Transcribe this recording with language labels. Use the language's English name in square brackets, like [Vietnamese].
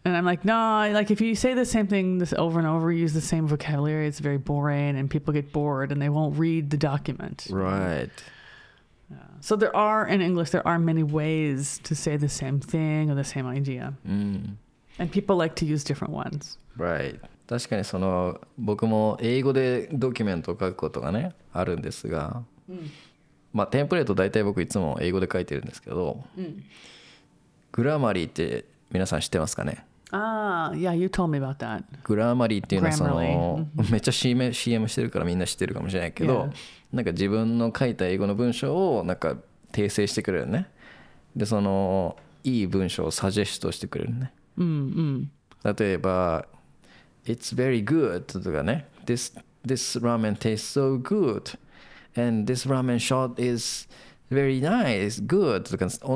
[English] And I'm like, nah, like if you say the same thing this over and over, use the same vocabulary, it's very boring and people get bored and they won't read the document. Right. Yeah. So there are, in English, there are many ways to say the same thing or the same idea. Mm. And people like to use different ones. Right. [Japanese] 確かにその僕も英語でドキュメントを書くことがねあるんですが。 Mm. まあ、テンプレート大体僕いつも英語で書いてるんですけど、うん、グラマリーって皆さん知ってますかね。ああ、 [English] yeah, you told me about that. [Japanese] グラマリーっていうのはそのめっちゃ CM してるからみんな知ってるかもしれないけど、yeah. なんか自分の書いた英語の文章をなんか訂正してくれるね。でそのいい文章をサジェストしてくれるね。うんうん、例えば [English] It's very good [Japanese] とかね [English] This ramen tastes so goodAnd this ramen shot is very nice, good.